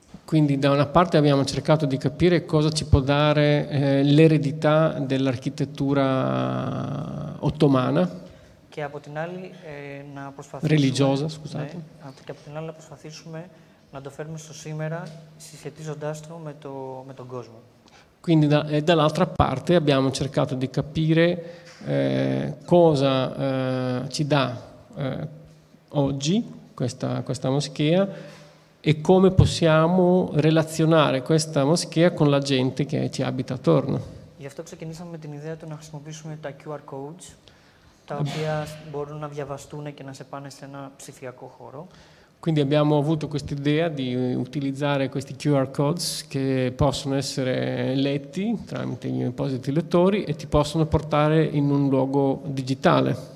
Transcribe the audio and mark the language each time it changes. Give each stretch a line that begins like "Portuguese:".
Italian: Quindi da una parte abbiamo cercato di capire cosa ci può dare l'eredità dell'architettura ottomana.
Greek: Και από την άλλη να προσπαθήσουμε...
Italian: Religiosa, scusate.
Greek: Και από την άλλη να προσπαθήσουμε να το φέρουμε στο σήμερα συσχετίζοντάς το με τον κόσμο.
Italian: Quindi dall'altra parte abbiamo cercato di capire cosa ci dà oggi questa moschea e come possiamo relazionare questa moschea con la gente che ci abita attorno.
Greek: Γι' αυτό ξεκινήσαμε με την ιδέα του να χρησιμοποιήσουμε τα QR codes, τα οποία μπορούν να διαβαστούν και να σε πάνε σε ένα ψηφιακό χώρο.
Italian: Quindi abbiamo avuto questa idea di utilizzare questi QR codes che possono essere letti tramite gli appositi lettori e ti possono portare in un luogo digitale.